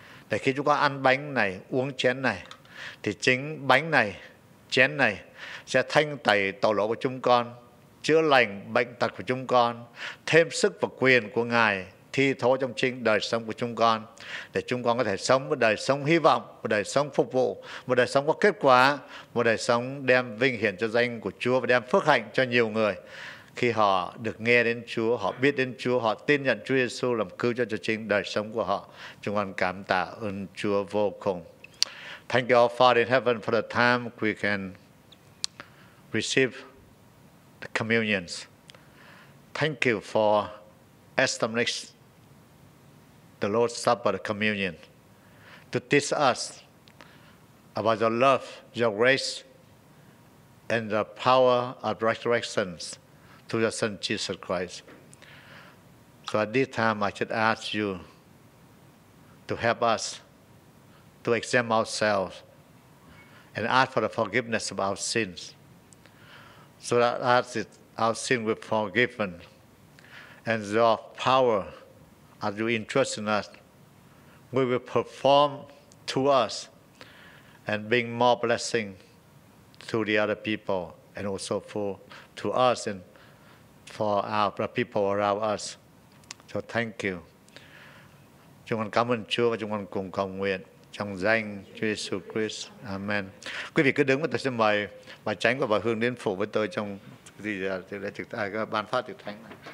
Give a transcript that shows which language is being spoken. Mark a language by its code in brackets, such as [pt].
[vi] Để khi chúng con ăn bánh này, uống chén này, thì chính bánh này, chén này sẽ thanh tẩy tội lỗi của chúng con, chữa lành bệnh tật của chúng con, thêm sức và quyền của Ngài thi thố trong chính đời sống của chúng con, để chúng con có thể sống một đời sống hy vọng, một đời sống phục vụ, một đời sống có kết quả, một đời sống đem vinh hiển cho danh của Chúa và đem phước hạnh cho nhiều người khi họ được nghe đến Chúa, họ biết đến Chúa, họ tin nhận Chúa Giêsu làm cứu cho chính đời sống của họ. Chúng con cảm tạ ơn Chúa vô cùng. [en] Thank you all Father in heaven for the time we can receive the communion. Thank you for establishing the Lord's Supper, the communion, to teach us about your love, your grace, and the power of resurrection through your Son, Jesus Christ. So at this time, I should ask you to help us to examine ourselves and ask for the forgiveness of our sins, so that as it, our sin will be forgiven, and your power as you entrust in us, we will perform to us and bring more blessing to the other people and also for to us and for our people around us. So thank you. [vi] Chúng con cảm ơn Chúa và chúng con cùng cầu nguyện trong danh Chúa Jesus Christ. Amen. Quý vị cứ đứng và tôi sẽ mời bà Chánh và bà Hương đến phụ với tôi trong gì là trực tài các ban phát trực thánh này.